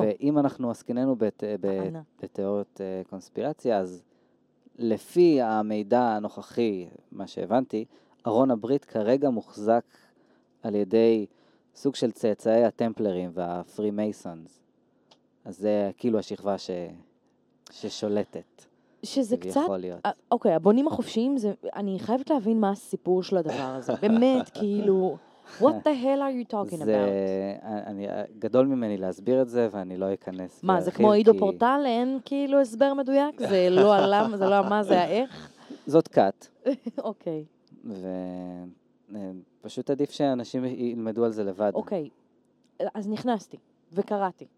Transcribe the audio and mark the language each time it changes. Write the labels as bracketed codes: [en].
[he] ואם אנחנו עסקיננו בתיאוריות קונספירציה, אז לפי המידע הנוכחי, מה שהבנתי, ארון הברית כרגע מוחזק על ידי סוג של צאצאי הטמפלרים והפרי מייסונס. אז זה כאילו השכבה ששולטת. שזה קצת... יכול להיות. אוקיי, הבונים החופשיים, אני חייבת להבין מה הסיפור של הדבר הזה. באמת, כאילו, [en] what the hell are you talking about? [he] זה גדול ממני להסביר את זה, ואני לא אכנס. מה, זה כמו אידו פורטל? אין כאילו הסבר מדויק? זה לא הלם, זה לא מה, זה האיך? זאת קאט. אוקיי. ופשוט עדיף שאנשים ילמדו על זה לבד. אוקיי, אז נכנסתי וקראתי.